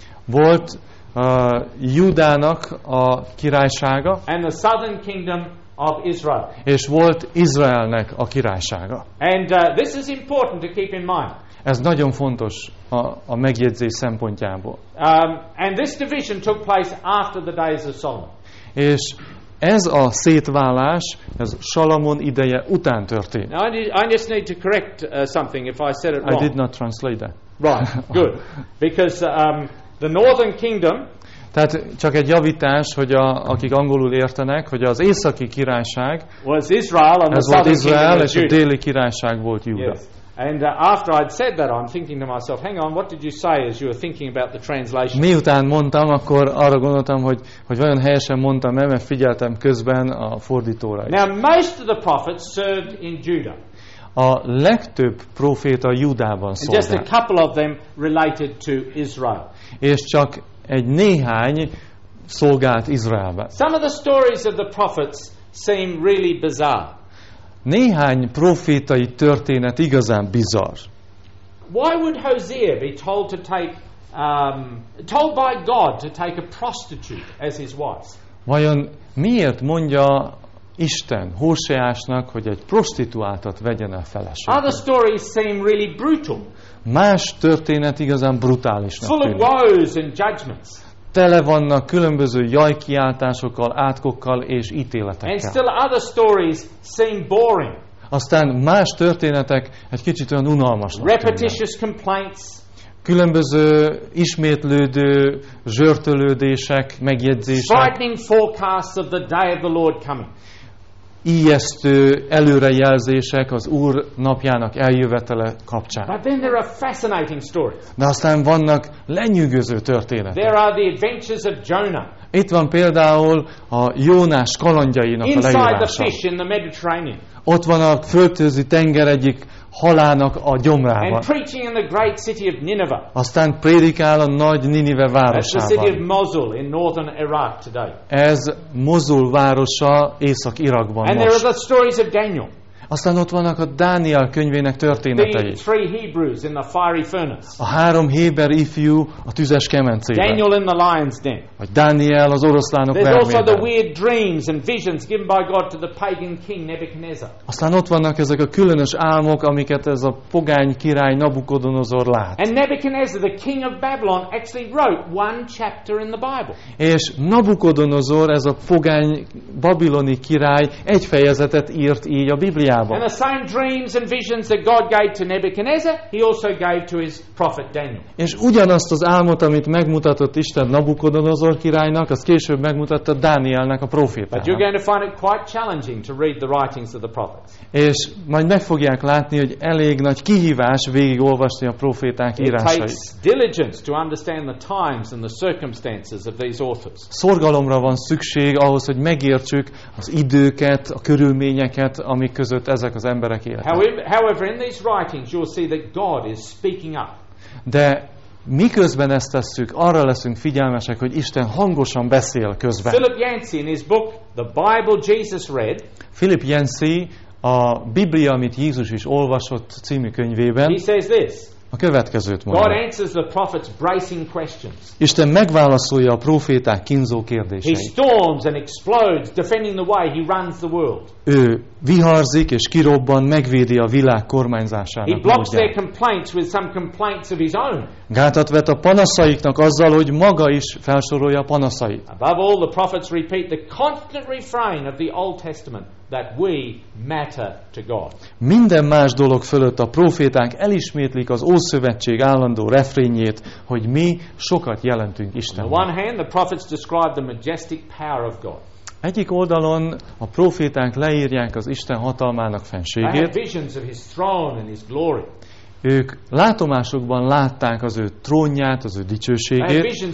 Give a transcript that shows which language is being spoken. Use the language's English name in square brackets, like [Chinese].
[Hungarian] Volt Judának a királysága. [English] And the southern kingdom of Israel. [Hungarian] És volt Izraelnek a királysága. [English] And this is important to keep in mind. [Hungarian] Ez nagyon fontos a megjegyzés szempontjából. [English] And this division took place after the days of Solomon. [Hungarian] És ez a szétválás, ez Salamon ideje után történt. [English] Now I just need to correct something if I said it wrong. I did not translate that. Right, good. Because the northern kingdom. [Hungarian] Tehát csak egy javítás, hogy akik angolul értenek, hogy az északi királyság. [English] Was Israel and [Hungarian] ez [English] the southern Israel, [Hungarian] és a déli királyság volt Júda. [English] Yes. And after I'd said that, I'm thinking to myself, hang on, what did you say as you were thinking about the translation? [Hungarian] Miután mondtam, akkor arra gondoltam, hogy vajon helyesen mondtam-e, mert figyeltem közben a fordítóra is. [English] Now most of the prophets served in Judah. [Hungarian] A legtöbb proféta Júdában szolgált. [English] Just a couple of them related to Israel. [Hungarian] És csak egy néhány szolgált Izraelben. [English] Some of the stories of the prophets seem really bizarre. [Hungarian] Néhány profétai történet igazán bizarr. [English] Why would Hosea be told by God to take a prostitute as his wife? [Hungarian] Vajon miért mondja Isten Hoseásnak, hogy egy prostituáltat vegyen el feleségül? [English] Other stories seem really brutal. [Hungarian] Más történet igazán brutálisnak tűnik. [English] Full of woes and judgments. [Hungarian] Tele vannak különböző jajkiáltásokkal, átkokkal és ítéletekkel. [English] And still other stories seem boring. [Hungarian] Aztán más történetek egy kicsit olyan unalmasnak. [English] Repetitious complaints. [Hungarian] Különböző ismétlődő zsörtölődések, megjegyzések. [English] Frightening forecasts of the day of the Lord coming. [Hungarian] Ijesztő előrejelzések az Úr napjának eljövetele kapcsán. [English] But then there are fascinating stories. [Hungarian] De aztán vannak lenyűgöző történetek. [English] There are the adventures of Jonah. [Hungarian] Itt van például a Jónás kalandjainak [English] inside [Hungarian] a leírása. [English] The fish in the Mediterranean. [Hungarian] Ott van a földközi tenger egyik halának a gyomrában. [English] And preaching in the great city of Nineveh. [Hungarian] Aztán prédikál a nagy Ninive városában. [English] The city of Mosul in northern Iraq today. [Hungarian] Ez Mosul városa Észak-Irakban most. [English] And there are the stories of Daniel. [Hungarian] Aztán ott vannak a Dániel könyvének történetei. [English] The three Hebrews in the fiery furnace. [Hungarian] A három héber ifjú a tüzes kemencében. [English] Daniel in the lion's den. [Hungarian] Vagy Dániel az oroszlánok [English] There's [Hungarian] vermében. [English] Also the weird dreams and visions given by God to the pagan king Nebuchadnezzar. [Hungarian] Aztán ott vannak ezek a különös álmok, amiket ez a pogány király Nabukodonozor lát. [English] And Nebuchadnezzar, the king of Babylon, actually wrote one chapter in the Bible. [Hungarian] És Nabukodonozor, ez a pogány babiloni király egy fejezetet írt így a Bibliában. csodába. [English] And the same dreams and visions that God gave to Nebuchadnezzar, he also gave to his prophet Daniel. [Hungarian] És ugyanazt az álmot, amit megmutatott Isten Nabukodonozor királynak, azt később megmutatta Dánielnek, a prófétának. [English] But you're going to find it quite challenging to read the writings of the prophets. [Hungarian] És majd meg fogják látni, hogy elég nagy kihívás végigolvasni a próféták írásait. [English] It takes diligence to understand the times and the circumstances of these authors. [Hungarian] Szorgalomra van szükség ahhoz, hogy megértsük az időket, a körülményeket, amik között ezek az emberek élnek. [English] However, in these writings you'll see that God is speaking up. [Hungarian] De miközben ezt tesszük, arra leszünk figyelmesek, hogy Isten hangosan beszél közben. [English] Philip Yancey in his book The Bible Jesus Read. [Hungarian] Philip Yancey a Biblia, amit Jézus is olvasott című könyvében. [English] He says this. [Hungarian] A következőt mondja. [English] God answers the prophets' bracing questions. [Hungarian] Isten megválaszolja a próféták kínzó kérdéseit. [English] He storms and explodes, defending the way he runs the world. [Hungarian] Ő viharzik és kirobban, megvédi a világ kormányzásának. [English] He blocks their complaints with some complaints of his own. [Hungarian] Gátat vet a panaszaiknak azzal, hogy maga is felsorolja a panaszait. [English] Above all, the prophets repeat the constant refrain of the Old Testament. That we matter to God. [Hungarian] Minden más dolog fölött a próféták elismétlik az Ószövetség állandó refrénjét, hogy mi sokat jelentünk Istennek. [English] On one hand, the prophets describe the majestic power of God. [Hungarian] Egyik oldalon a próféták leírják az Isten hatalmának fenségét. [English] They have visions of his throne and his glory. [Hungarian] Ők látomásokban látták az ő trónját, az ő dicsőségét.